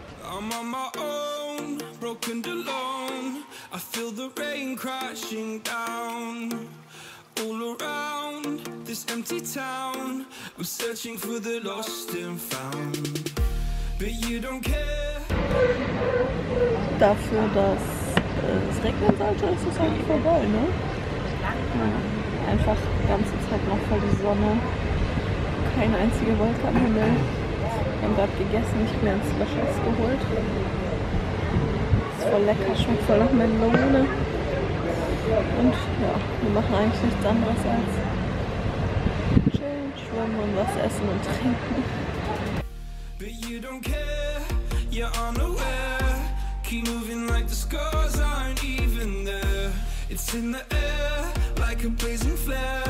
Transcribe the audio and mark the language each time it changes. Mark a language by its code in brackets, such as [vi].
[en] I'm on my own, broken alone. I feel the rain crashing down. All around this empty town. I'm searching for the lost and found. But you don't care. [de] Dafür, dass es regnen sollte, ist es eigentlich vorbei, ne? Ja, einfach die ganze Zeit noch voll die Sonne. Keine einzige Wolke am Himmel. Wir haben gerade gegessen, ich bin ins Löschhaus geholt. Ist voll lecker, schmeckt voll nach Melone. Und ja, wir machen eigentlich nichts anderes als chillen, schwimmen und was essen und trinken. [en] But you don't care, you're unaware. Keep moving like the scars aren't even there. It's in the air, like a blazing flare.